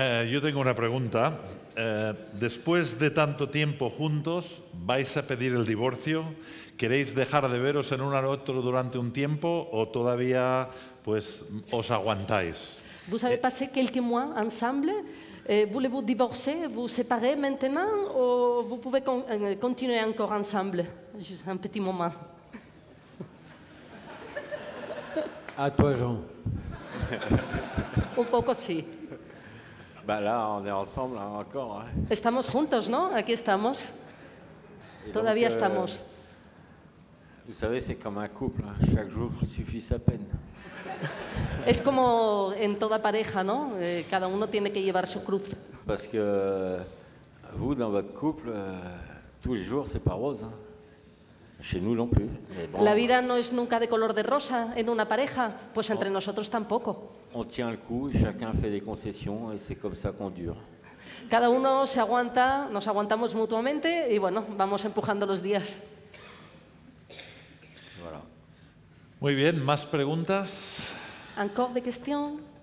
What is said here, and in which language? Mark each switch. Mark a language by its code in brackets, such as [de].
[es] Yo tengo una pregunta. Después de tanto tiempo juntos, ¿vais a pedir el divorcio? ¿Queréis dejar de veros en uno al otro durante un tiempo o todavía pues os aguantáis? [fr] Vous avez passé quelques mois ensemble, voulez-vous divorcer, vous séparer maintenant ou vous pouvez continuer encore ensemble? Juste un petit moment. À toi, Jean. [es] Un poco sí. [fr] Bah là, on est ensemble encore. Hein. [es] Estamos juntos, ¿no? Aquí estamos. Todavía estamos. [fr] Vous savez, c'est comme un couple, hein. Chaque jour suffit sa peine. [es] Es como en toda pareja, ¿no? Cada uno tiene que llevar su cruz. [fr] Parce que vous, dans votre couple, tous les jours, c'est pas rose. Hein. Chez nous non plus. Mais bon, [es] la vida no es nunca de color de rosa en una pareja, pues entre nosotros tampoco. [fr] On tient le coup, chacun fait des concessions et c'est comme ça qu'on dure. [es] Cada uno se aguanta, nos aguantamos mutuamente y bueno, vamos empujando los días. [fr] Voilà. [es] Muy bien, ¿más preguntas? [fr] ¿Encore de questions?